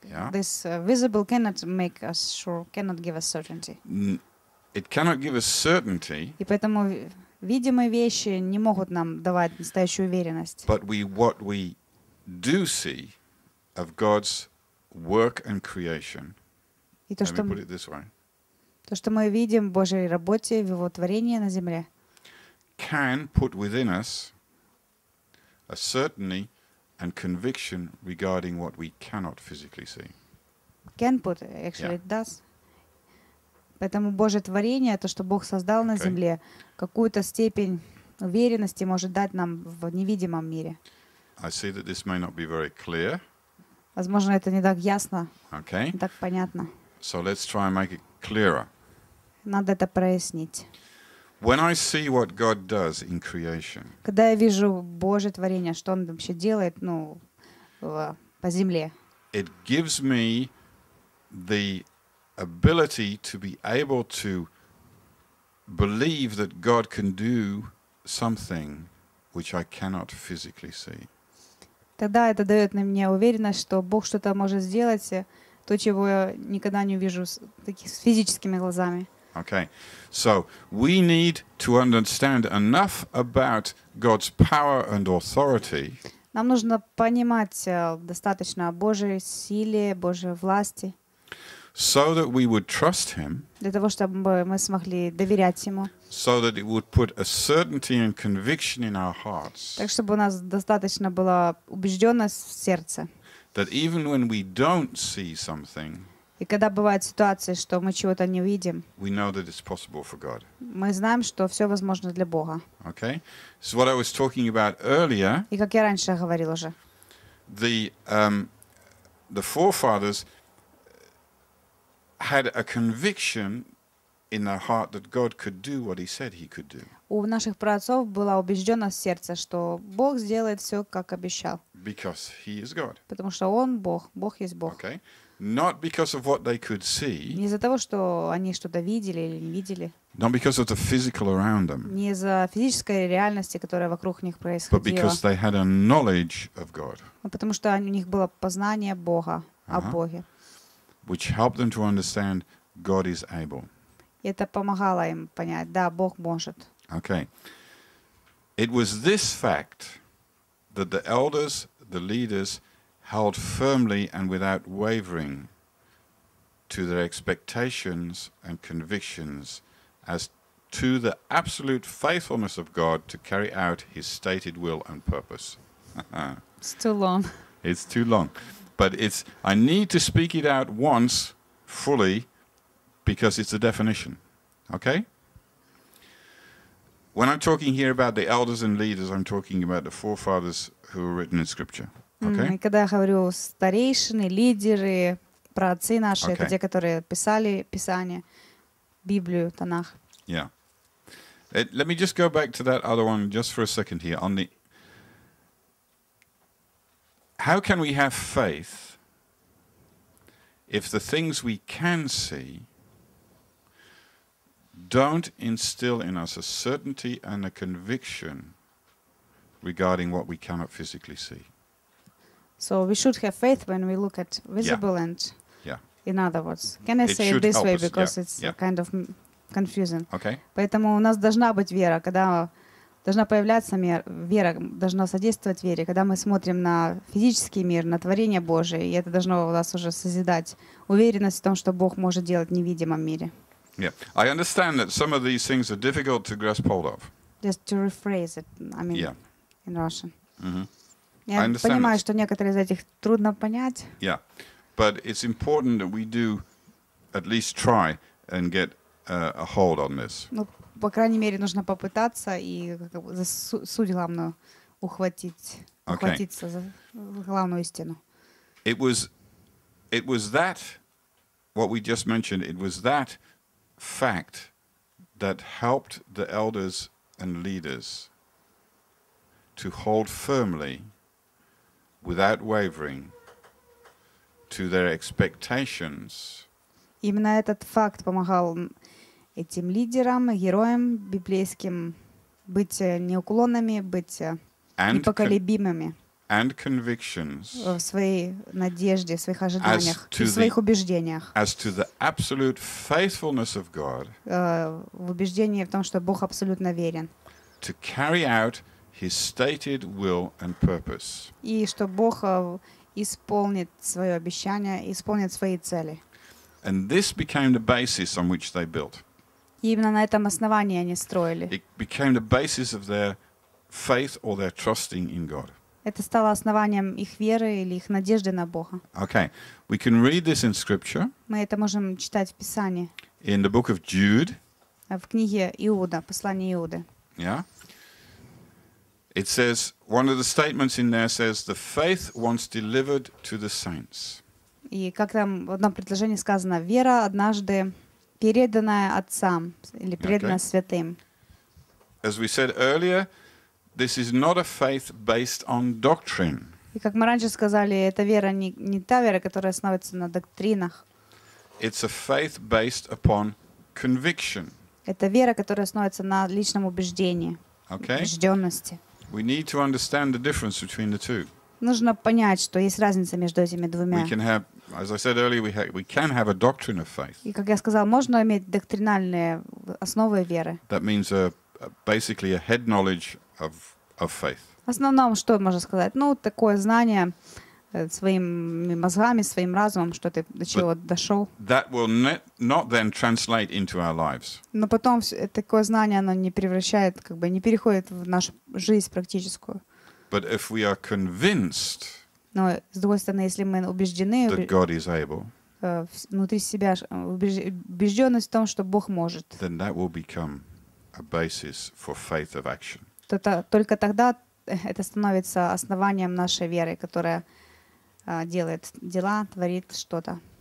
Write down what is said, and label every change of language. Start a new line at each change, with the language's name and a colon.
English: This visible cannot make us sure, cannot give us certainty. It cannot give us certainty.
Russian: И поэтому видимые вещи не могут нам давать настоящую уверенность.
English: But what we do see of God's work and creation.
Russian: И то, что
English: let me put it this way.
Russian: То, что мы видим в Божьей работе, в Его творении на земле.
English: Can put within us a certainty and conviction regarding what we cannot physically see. Can put, actually, yeah. It does.
Russian: Поэтому Божье творение, то, что Бог создал на земле, какую-то степень уверенности может дать нам в невидимом мире.
English: I see that this may not be very clear.
Russian: Возможно, это не так ясно,
English: okay.
Russian: Не так понятно.
English: So let's try and make it clearer.
Russian: Надо это прояснить.
English: When I see what God does in creation,
Russian: когда я вижу Божье творение, что Он вообще делает, ну, по земле,
English: it gives me the ability to be able to believe that God can do something which I cannot physically see.
Russian: Тогда это дает мне уверенность, что Бог что-то может сделать, то, чего я никогда не увижу таких, с физическими глазами.
English: Okay. So we need to understand enough about God's power and authority.
Russian: Нам нужно понимать достаточно о Божьей силе, Божьей власти.
English: So that we would trust him.
Russian: Для того, чтобы мы смогли доверять ему.
English: So that it would put a certainty and conviction in our hearts.
Russian: Так чтобы у нас достаточно была убежденность в сердце.
English: That even when we don't see something,
Russian: и когда бывают ситуации, что мы чего-то не видим,
English: we know that it's possible for God.
Russian: Мы знаем, что все возможно для Бога.
English: Okay. So what I was talking about earlier,
Russian: и как я раньше говорил уже,
English: the forefathers had a conviction in their heart that God could do what He said He could do.
Russian: У наших праотцов была убежденность в сердце, что Бог сделает все, как обещал.
English: Because He is God.
Russian: Потому что Он Бог, Бог есть Бог.
English: Okay. Not because of what they could see.
Russian: Не из-за того, что они что-то видели или не видели.
English: Not because of the physical around them.
Russian: Не из-за физической реальности, которая вокруг них происходила.
English: But because they had a knowledge of God.
Russian: Но потому что у них было познание Бога, о Боге.
English: Which helped them to understand God is able.
Russian: Это помогало им понять, да, Бог может.
English: Okay. It was this fact that the elders, the leaders, held firmly and without wavering to their expectations and convictions as to the absolute faithfulness of God to carry out His stated will and purpose. It's too long. It's too long. But it's, I need to speak it out once fully because it's a definition. Okay? When I'm talking here about the elders and leaders, I'm talking about the forefathers who were written in Scripture.
Russian: И когда я говорю старейшины, лидеры, праотцы наши, это те, которые писали Писание, Библию, Танах.
English: Yeah. Let me just go back to that other one just for a second here. On the how can we have faith if the things we can see don't instill in us a certainty and a conviction regarding what we cannot physically see? So we should have faith when we look at visible yeah. and, yeah. in other words, can I it say it this way us. Because yeah. it's yeah. kind of confusing? Okay.
Russian: Поэтому у нас должна быть вера, когда должна появляться вера, должна содействовать вере, когда мы смотрим на физический мир, на творение Божие, и это должно у нас уже созидать уверенность в том, что Бог может делать в невидимом мире.
English: Yeah, I understand that some of these things are difficult to grasp hold of. Just to rephrase it, I mean, yeah. in Russian. Mm-hmm.
Russian: Я понимаю, что некоторые из этих трудно понять.
English: Yeah. But it's important that we do at least try and get a hold on this.
Russian: Ну, по крайней мере, нужно попытаться и за суть главную ухватиться за главную истину.
English: It was that what we just mentioned, it was that fact that helped the elders and leaders to hold firmly without wavering to their expectations.
Russian: Именно этот факт помогал этим лидерам, героям библейским быть неуклонными, быть непоколебимыми.
English: And convictions.
Russian: В своей надежде, в своих ожиданиях, в своих убеждениях.
English: As to the absolute faithfulness of God.
Russian: В убеждении в том, что Бог абсолютно верен.
English: To carry out His stated will and purpose.
Russian: И что Бог исполнит свое обещание, исполнит свои цели.
English: And this became the basis on which they built.
Russian: И именно на этом основании они строили.
English: It became the basis of their faith or their trusting in God.
Russian: Это стало основанием их веры или их надежды на Бога.
English: Okay, we can read this in Scripture.
Russian: Мы это можем читать в Писании.
English: In the book of Jude.
Russian: В книге Иуда, послание Иуды.
English: Yeah. It says, one of the statements in there says, the faith once delivered to the saints.
Russian: И как там в одном предложении сказано, вера однажды переданная отцам или передана святым.
English: As we said earlier, this is not a faith based on doctrine.
Russian: И как мы раньше сказали, эта вера не та вера, которая основывается на доктринах.
English: It's a faith based upon conviction.
Russian: Это вера, которая основывается на личном убеждении, убежденности.
English: We need to understand the difference between the two.
Russian: Нужно понять, что есть разница между этими двумя.
English: We can have, as I said earlier, we can have a doctrine of faith.
Russian: И как я сказал, можно иметь доктринальные основы веры.
English: That means basically a head knowledge of faith.
Russian: В основном, что можно сказать? Ну, такое знание своими мозгами, своим разумом, что ты до чего дошел.
English: That will not then translate into our lives.
Russian: Но потом такое знание, оно не превращает, как бы не переходит в нашу жизнь практическую.
English: But if we are convinced,
Russian: но, с другой стороны, если мы убеждены,
English: that God is able,
Russian: внутри себя убежденность в том, что Бог может,
English: then that will become a basis for faith of action.
Russian: Только тогда это становится основанием нашей веры, которая делает дела, творит что-то,